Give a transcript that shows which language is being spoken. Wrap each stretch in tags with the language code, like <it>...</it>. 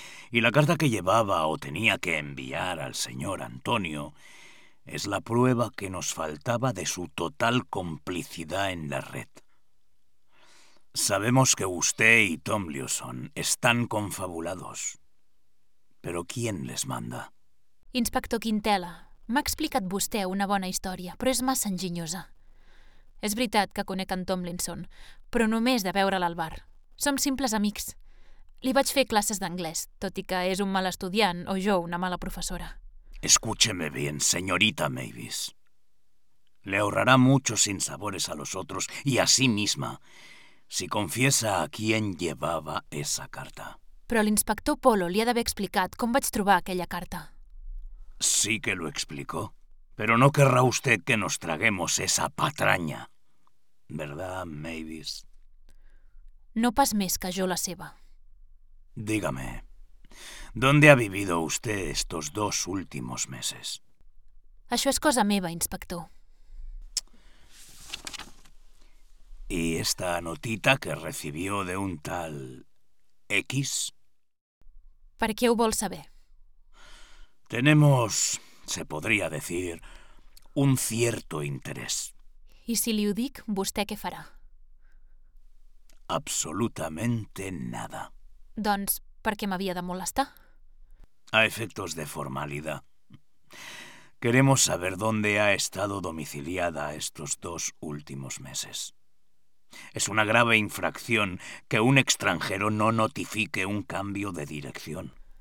<es>Y la carta que llevaba o tenía que enviar al señor Antonio es la prueba que nos faltaba de su total complicidad en la red. Sabemos que usted y Tomlinson están confabulados. Pero ¿quién les manda?</es> <ca>Inspector Quintela, m'ha explicat vostè una bona història, però és massa enginyosa. És veritat que conec en Tomlinson, però només de veure-la al bar. Som simples amics. Li vaig fer classes d'anglès, tot i que és un mal estudiant o jo una mala professora.</ca> <es>Escúcheme bien, señorita Mavis. Le ahorrará muchos sinsabores a los otros y a sí misma si confiesa a quién llevaba esa carta.</es> <ca>Però l'inspector Polo li ha d'haver explicat com vaig trobar aquella carta.</ca> <es>Sí que lo explicó, pero no querrá usted que nos traguemos esa patraña, ¿verdad, Mavis?</es> <ca>No pas més que jo la seva.</ca> <es>Dígame, ¿dónde ha vivido usted estos dos últimos meses?</es> <ca>Això és cosa meva, inspector.</ca> <es>¿Y esta notita que recibió de un tal X?</es> <ca>¿Per què ho vol saber?</ca> <es>Tenemos, se podría decir, un cierto interés.</es> <ca>¿Y si li ho dic, vostè què farà?</ca> <es>Absolutamente nada.</es> <ca>Doncs, ¿per què m'havia de molestar?</ca> <es>A efectos de formalidad. Queremos saber dónde ha estado domiciliada estos dos últimos meses. Es una grave infracción que un extranjero no notifique un cambio de dirección.</es>